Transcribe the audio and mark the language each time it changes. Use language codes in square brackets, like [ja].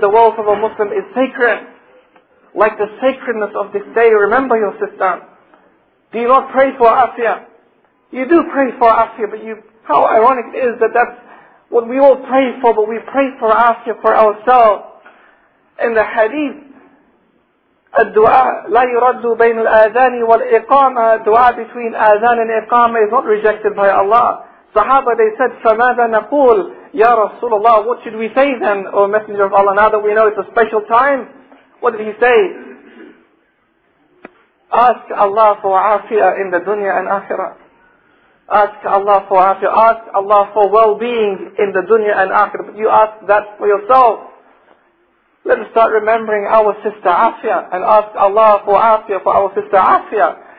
[en] The wealth of a Muslim is sacred. Like the sacredness of this day, remember your sister. Do you not pray for Afia? You do pray for Afia, but how ironic it is that that's what we all pray for, but we pray for Afia for ourselves. In the hadith, [ar] الدُّعَاء لَا يُرَدُّ بَيْنُ الْآذَانِ وَالْإِقَامَةِ. [en] Dua between Azan and Iqama is not rejected by Allah. [ar] Sahaba, [en] they said, [ar] فَمَاذَا نَقُولُ يَا رَسُولَ اللَّهِ. [en] What should we say then, O Messenger of Allah, now that we know it's a special time? What did he say? Ask Allah for afia in the dunya and akhirah. Ask Allah for afia. Ask Allah for well-being in the dunya and akhirah. But you ask that for yourself. Let us start remembering our sister Afia and ask Allah for Afia for our sister Afia.